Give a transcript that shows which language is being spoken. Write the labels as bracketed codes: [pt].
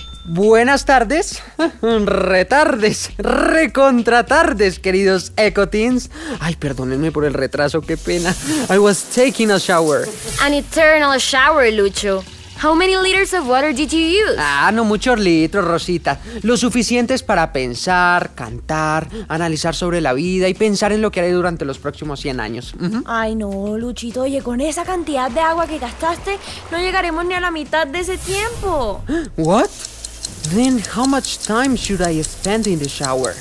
[es] Buenas tardes. Retardes. Recontratardes, queridos Eco Teens. Ay, perdónenme por el retraso, qué pena. [en] I was taking a shower. An eternal shower, Lucho. How many liters of water did you use? [es] Ah, no muchos litros, Rosita. Lo suficiente es para pensar, cantar, analizar sobre la vida y pensar en lo que haré durante los próximos 100 años. Uh-huh. Ay, no, Luchito. Oye, con esa cantidad de agua que gastaste, no llegaremos ni a la mitad de ese tiempo. [en] What? Then how much time should I spend in the shower?